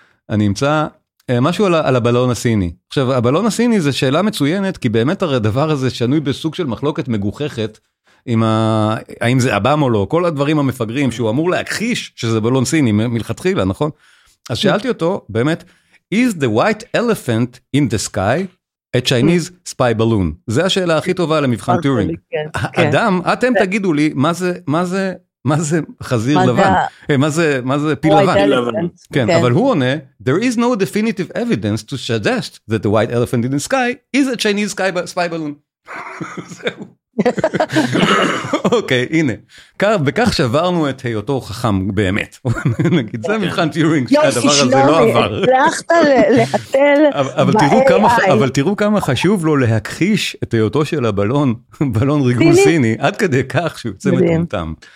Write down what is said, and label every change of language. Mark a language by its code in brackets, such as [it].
[he] אני אמצא משהו על הבלון הסיני. עכשיו, הבלון הסיני זה שאלה מצוינת, כי באמת הרי הדבר הזה שנוי בסוג של מחלוקת מגוחכת, עם האם זה אבם או לא, כל הדברים המפגרים שהוא אמור להכחיש שזה בלון סיני מלכתחילה, נכון? אז שאלתי אותו, באמת, [en] is the white elephant in the sky a Chinese spy balloon? [he] זה השאלה הכי טובה למבחן טיורינג. אדם, אתם תגידו לי, מה זה חזיר לבן? מה זה פיל לבן? כן, אבל הוא עונה, [en] there is no definitive evidence to suggest that the white elephant in the sky is a Chinese spy balloon. [he] זהו. אוקיי, הנה, בכך שברנו את היותו חכם באמת, נגיד, זה מבחן טיורינג, הדבר הזה לא עבר. הצלחת להטל ב-AI. אבל תראו כמה חשוב לו להכחיש את היותו של הבלון, בלון ריגול סיני, עד כדי כך שהוא יוצא מטומטם.